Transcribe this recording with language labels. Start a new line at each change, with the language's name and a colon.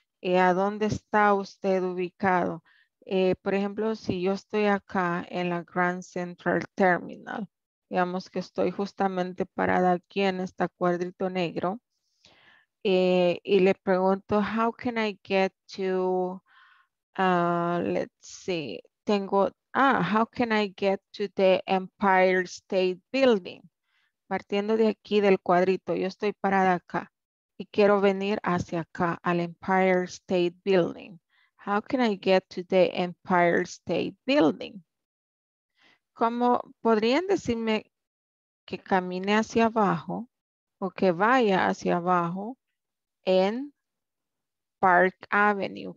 Spanish: ¿A dónde está usted ubicado? Por ejemplo, si yo estoy acá en la Grand Central Terminal, digamos que estoy justamente parada aquí en este cuadrito negro, y le pregunto,
English: how can I get to, let's see,
Spanish: tengo,
English: how can I get to the Empire State Building?
Spanish: Partiendo de aquí del cuadrito, yo estoy parada acá y quiero venir hacia acá, al Empire State Building.
English: How can I get to the Empire State Building?
Spanish: ¿Cómo podrían decirme que camine hacia abajo o que vaya hacia abajo en Park Avenue?